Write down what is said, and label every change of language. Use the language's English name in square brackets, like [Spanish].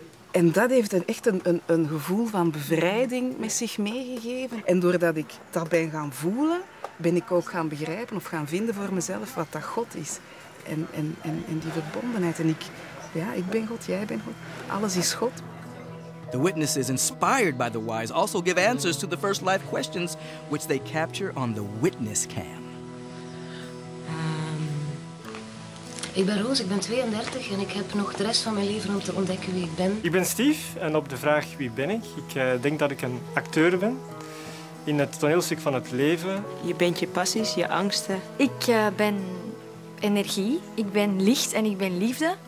[Dutch] En dat heeft echt een gevoel van bevrijding met zich meegegeven. En doordat ik dat ben gaan voelen, ben ik ook gaan begrijpen of gaan vinden voor mezelf wat dat God is. En die verbondenheid. En ik ben God, jij bent God. Alles is God. [English] The witnesses, inspired by the wise, also give answers to the first life questions, which they capture on the witness cam. [Dutch] Ik ben Roos, ik ben 32 en ik heb nog de rest van mijn leven om te ontdekken wie ik ben. Ik ben Steve en op de vraag wie ben ik? Ik denk dat ik een acteur ben in het toneelstuk van het leven. Je bent je passies, je angsten. Ik ben energie, ik ben licht en ik ben liefde.